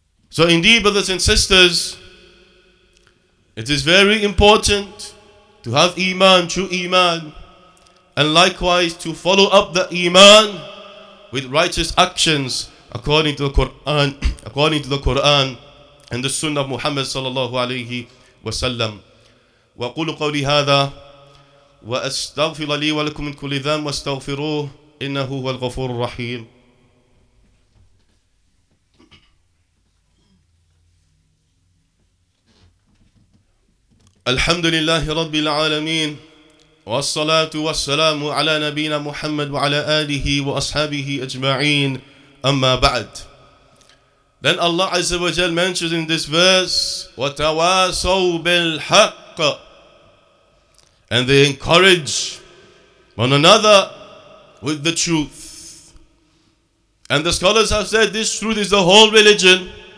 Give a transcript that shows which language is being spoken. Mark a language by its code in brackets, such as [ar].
[en] So indeed, brothers and sisters, it is very important to have iman, true iman, and likewise to follow up the iman with righteous actions according to the Quran, according to the Quran and the Sunnah of Muhammad sallallahu alayhi wa sallam. [ar] وأقول قولي هذا وأستغفر لي ولكم من كل ذنب واستغفروه إنه هو الغفور الرحيم. الحمد لله رب العالمين والصلاة والسلام على نبينا محمد وعلى آله وأصحابه أجمعين أما بعد. [en] Then Allah Azza wa Jal mentions in this verse, [ar] وَتَوَاسَوْا بِالْحَقِّ, [en] and they encourage one another with the truth. And the scholars have said this truth is the whole religion.